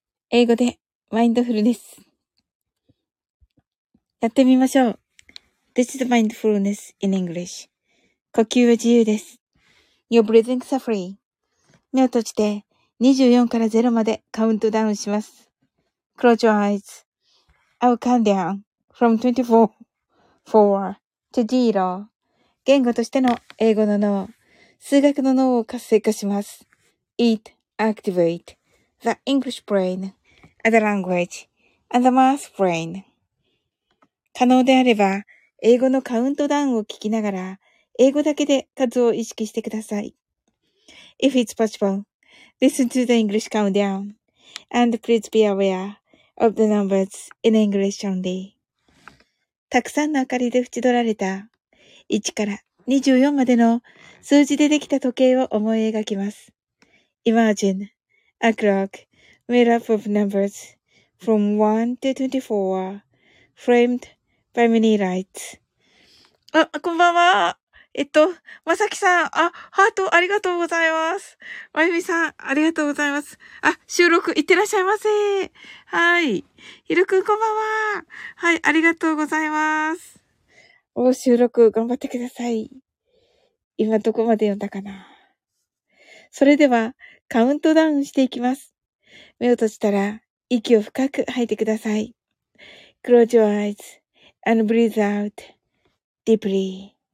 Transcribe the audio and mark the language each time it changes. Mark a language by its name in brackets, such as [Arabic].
[Japanese] 英語でマインドフルネス。やってみましょう。 [English] This is mindfulness in English. [Japanese] 呼吸は自由です。 [English] Your breathing is free. [Japanese] 目を閉じて24から0までカウントダウンします。 [English] Close your eyes. I'll count down from 24 to 0. [Japanese] 言語としての英語の脳。数学の脳を活性化します。 [English] It activate the English brain and the language and the math brain. [Japanese] 可能であれば、英語のカウントダウンを聞きながら、英語だけで数を意識してください。 [English] If it's possible, listen to the English countdown and please be aware of the numbers in English only. [Japanese] たくさんの明かりで縁取られた1から24までの数字でできた時計を思い描きます。 [English] Imagine a clock made up of numbers from 1 to 24 framed by many lights. [Japanese] あ、こんばんは。まさきさん、あ、ハートありがとうございます。まゆみさん、ありがとうございます。あ、収録いってらっしゃいませ。はい。ひろくん、こんばんは。はい、ありがとうございます。お、収録頑張ってください。今どこまで読んだかな。それではカウントダウンしていきます。目を閉じたら息を深く吐いてください。 [English] Close your eyes and breathe out deeply.